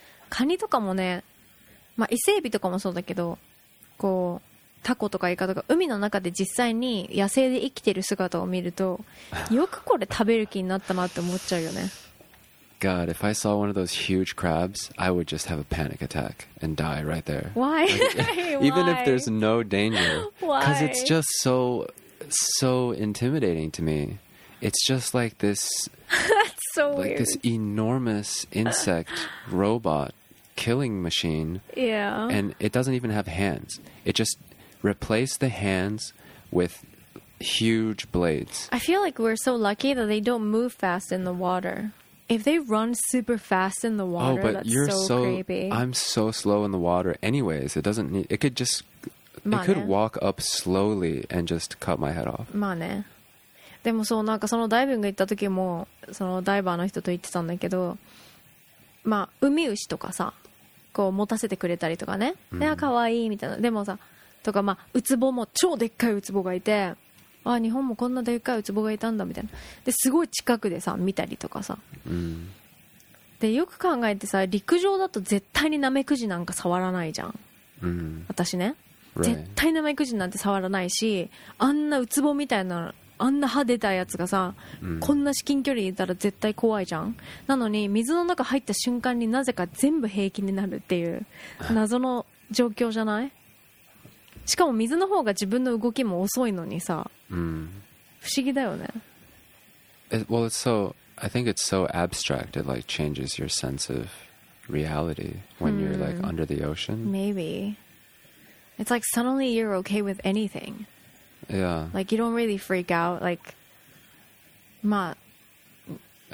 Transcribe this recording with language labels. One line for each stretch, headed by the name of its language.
Japanese: カニとかもね、まあ、イセエビとかもそうだけど、こう、タコとかイカとか海の中で実際に野生で生きてる姿を見るとよくこれ食べる気になったなって思っちゃうよね。
English: God, if I saw one of those huge crabs, I would just have a panic attack and die right there. Why? Like, even if there's no danger. Why? Because it's just so, so intimidating to me. It's just like this... That's so weird. Like this enormous insect robot killing machine. Yeah. And it doesn't even have hands. It just... Replace the hands with huge blades. I feel like we're so lucky that they don't move fast in the water. If they run super fast in the water, oh, but that's you're so creepy. I'm so slow in the water anyways. It doesn't need... It could just... It could walk up slowly and just cut my head off.
Japanese: まあね。でもそう、なんかそのダイビング行った時も、そのダイバーの人と言ってたんだけど、まあ、ウミウシとかさ、こう持たせてくれたりとかね。いや、かわいいみたいな。でもさ、とかまあ、ウツボも超でっかいウツボがいて、あ、日本もこんなでっかいウツボがいたんだみたいな。ですごい近くでさ見たりとかさ、うん、でよく考えてさ、陸上だと絶対にナメクジなんか触らないじゃん、うん、私ね、
English: right.
Japanese: 絶対ナメクジなんて触らないし、あんなウツボみたいな、あんな歯出たやつがさ、うん、こんな至近距離にいたら絶対怖いじゃん。なのに水の中入った瞬間になぜか全部平気になるっていう謎の状況じゃない？しかも水の方が自分の動きも遅いのにさ、 mm. 不思議だよね。
English: Well, it's so, I think it's so abstract. It like changes your sense of reality when、mm. you're like under the ocean. Maybe. It's like suddenly you're okay with anything. Yeah. Like you don't really freak out. Like, まあ、